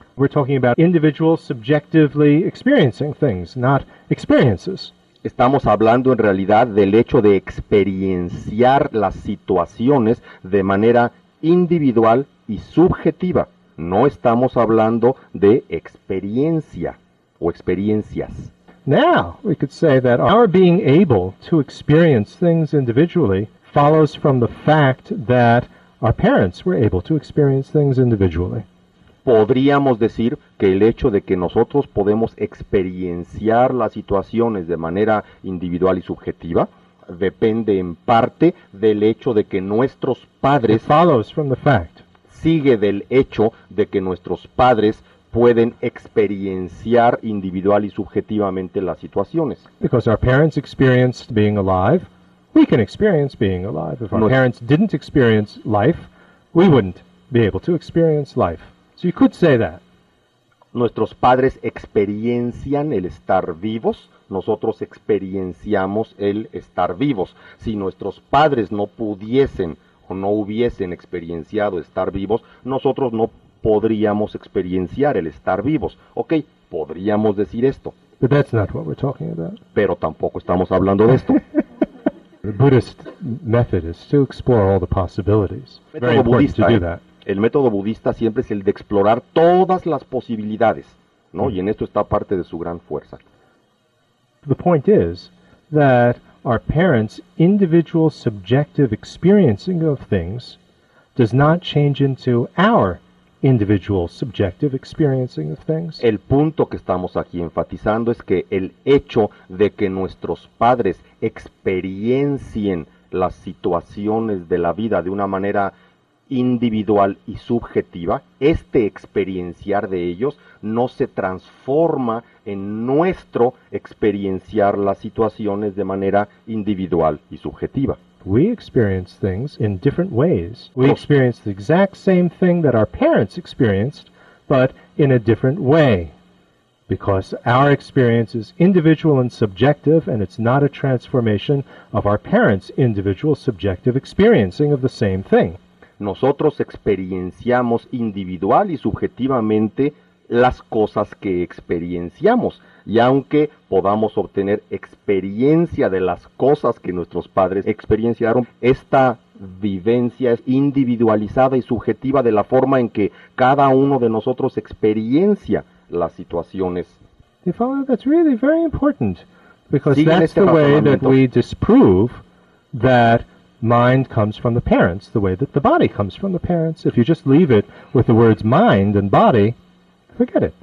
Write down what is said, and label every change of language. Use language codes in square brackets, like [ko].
[en] We're talking about individuals subjectively experiencing things, not experiences. [es] Estamos hablando en realidad del hecho de experienciar las situaciones de manera individual y subjetiva. No estamos hablando de experiencia o experiencias. [en] Now, we could say that our being able to experience things individually follows from the fact that our parents were able to experience things individually. [es] Podríamos decir que el hecho de que nosotros podemos experienciar las situaciones de manera individual y subjetiva depende en parte del hecho de que nuestros padres... [en] It follows from the fact. [es] Sigue del hecho de que nuestros padres pueden experienciar individual y subjetivamente las situaciones. [en] Because our parents experienced being alive, we can experience being alive. If our parents didn't experience life, we wouldn't be able to experience life. So you could say that. [es] Nuestros padres experiencian el estar vivos, nosotros experienciamos el estar vivos. Si nuestros padres no pudiesen o no hubiesen experienciado estar vivos, nosotros no podríamos experienciar el estar vivos. Ok, podríamos decir esto. [en] But that's not what we're talking about. [es] Pero tampoco estamos hablando de esto. [en] The Buddhist method is to explore all the possibilities. Very important to do that. [es] El método budista siempre es el de explorar todas las posibilidades, ¿no? Y en esto está parte de su gran fuerza. [en] The point is that our parents' individual subjective experiencing of things does not change into our individual subjective experiencing of things. [es] El punto que estamos aquí enfatizando es que el hecho de que nuestros padres experiencien las situaciones de la vida de una manera individual y subjetiva, este experienciar de ellos no se transforma en nuestro experienciar las situaciones de manera individual y subjetiva. [en] We experience things in different ways. We experience the exact same thing that our parents experienced, but in a different way. Because our experience is individual and subjective, and it's not a transformation of our parents' individual subjective experiencing of the same thing. [es] Nosotros experienciamos individual y subjetivamente las cosas que experienciamos. Y aunque podamos obtener experiencia de las cosas que nuestros padres experienciaron, esta vivencia es individualizada y subjetiva de la forma en que cada uno de nosotros experiencia las situaciones. [en] You follow? That's really very important. Because that's the way that we disprove that mind comes from the parents, the way that the body comes from the parents. If you just leave it with the words mind and body, forget it.